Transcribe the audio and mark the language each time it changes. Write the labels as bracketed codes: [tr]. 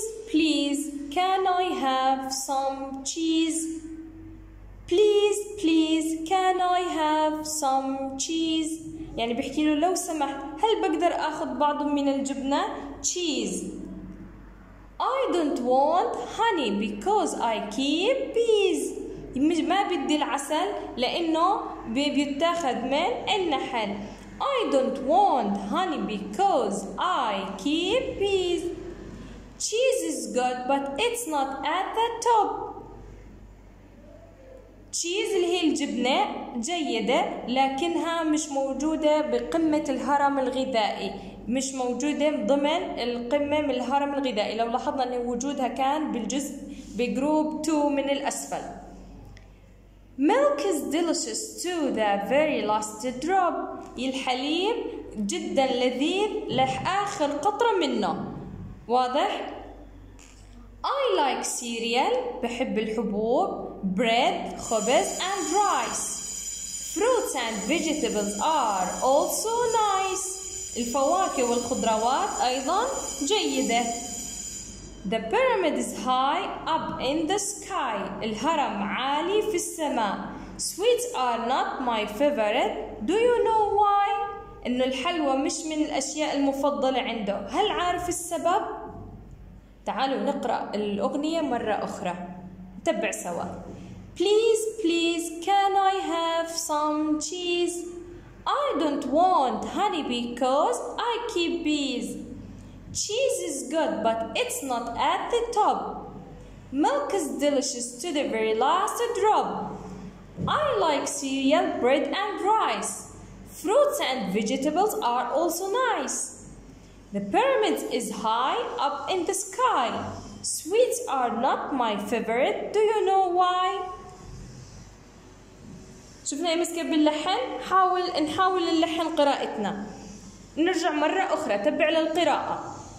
[en] Please can I have some cheese. Please can I have some cheese. [ar] يعني بيحكي له لو سمحت هل بقدر اخذ بعض من الجبنه. [en] cheese. I don't want honey because I keep bees. [ar] ما بدي العسل لانه بيتاخذ من النحل. [en] I don't want honey because I keep bees. cheese is good but it's not at the top. [ar] cheese اللي هي الجبنة جيدة لكنها مش موجودة بقمة الهرم الغذائي، مش موجودة ضمن القمة من الهرم الغذائي. لو لاحظنا ان وجودها كان بالجزء بجروب 2 من الاسفل. [en] milk is delicious to the very last drop. [ar] الحليب جدا لذيذ لاخر قطرة منه. واضح؟ [en] I like cereal. [ar] بحب الحبوب. bread خبز. [en] and rice. fruits and vegetables are also nice. [ar] الفواكه والخضروات أيضا جيدة. [en] the pyramid is high up in the sky. [ar] الهرم عالي في السماء. [en] sweets are not my favorite. do you know why. [ar] إنه الحلوى مش من الأشياء المفضلة عنده. هل عارف السبب؟ تعالوا نقرأ الأغنية مرة أخرى، نتبع سوا. [en] Please can I have some cheese. I don't want honey because I keep bees. Cheese is good but it's not at the top. Milk is delicious to the very last drop. I like cereal, bread and rice. Fruits and vegetables are also nice. The pyramid is high up in the sky. Sweets are not my favorite. Do you know why? [ar] شفنا أمس كيف باللحن؟ نحاول اللحن قراءتنا. نرجع مرة أخرى، تبع للقراءة.